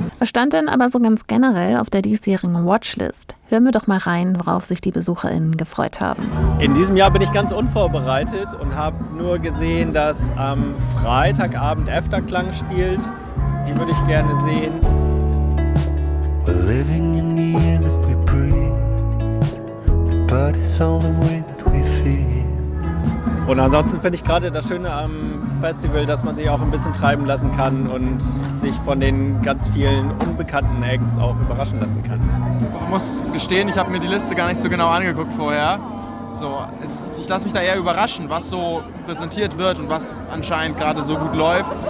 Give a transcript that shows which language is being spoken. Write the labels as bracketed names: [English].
[German] Was stand denn aber so ganz generell auf der diesjährigen Watchlist? Hören wir doch mal rein, worauf sich die BesucherInnen gefreut haben. In diesem Jahr bin ich ganz unvorbereitet und habe nur gesehen, dass am Freitagabend Efterklang spielt. Die würde ich gerne sehen. [English] We're living in the air that we breathe. The body's only way that we feel. [German] Und ansonsten finde ich gerade das Schöne am Festival, dass man sich auch ein bisschen treiben lassen kann und sich von den ganz vielen unbekannten Acts auch überraschen lassen kann. Ich muss gestehen, ich habe mir die Liste gar nicht so genau angeguckt vorher. So, ich lasse mich da eher überraschen, was so präsentiert wird und was anscheinend gerade so gut läuft.